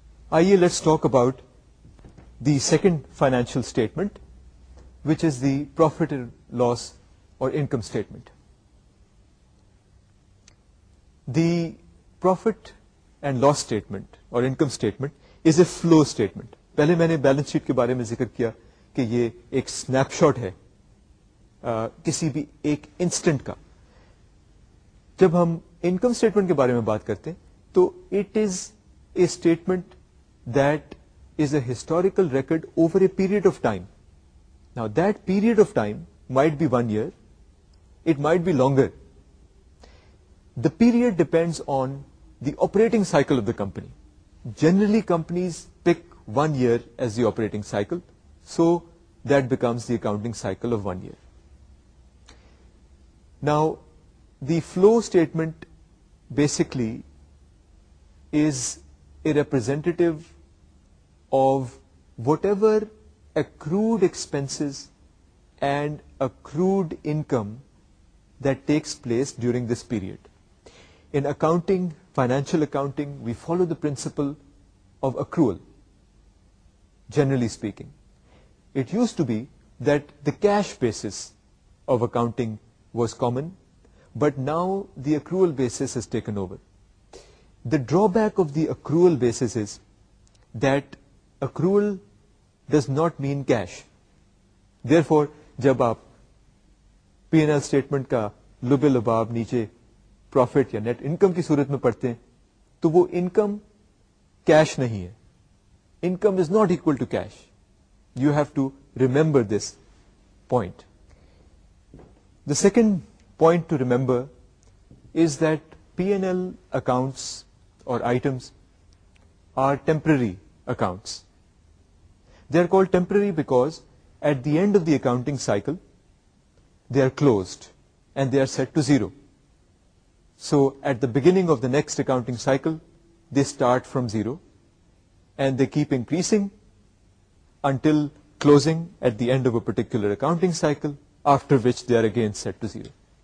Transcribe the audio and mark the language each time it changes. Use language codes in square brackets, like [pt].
[en] Aiye, let's talk about the second financial statement, which is the profit and loss or income statement. The profit and loss statement or income statement is a flow statement. [ur] پہلے میں نے balance sheet کے بارے میں ذکر کیا کہ یہ ایک سنیپ شاٹ ہے کسی بھی ایک انسٹنٹ کا. جب ہم انکم اسٹیٹمنٹ کے بارے میں بات کرتے ہیں تو [en] It is a statement that is a historical record over a period of time. Now that period of time might be one year, it might be longer. The period depends on the operating cycle of the company. Generally, companies pick one year as the operating cycle, so that becomes the accounting cycle of one year. Now, the flow statement basically is a representative of whatever accrued expenses and accrued income that takes place during this period. In accounting, financial accounting, we follow the principle of accrual, generally speaking. It used to be that the cash basis of accounting was common, but now the accrual basis has taken over. The drawback of the accrual basis is that accrual does not mean cash. [ur] Therefore, jab aap P&L statement ka lubilabab niche profit یا net income کی صورت میں پڑھتے ہیں تو وہ income cash نہیں ہے. [en] Income is not equal to cash. You have to remember this point. The second point to remember is that P N L accounts اور items are temporary accounts. They are called temporary because at the end of the accounting cycle they are closed and they are set to zero. So at the beginning of the next accounting cycle, they start from zero and they keep increasing until closing at the end of a particular accounting cycle, after which they are again set to zero.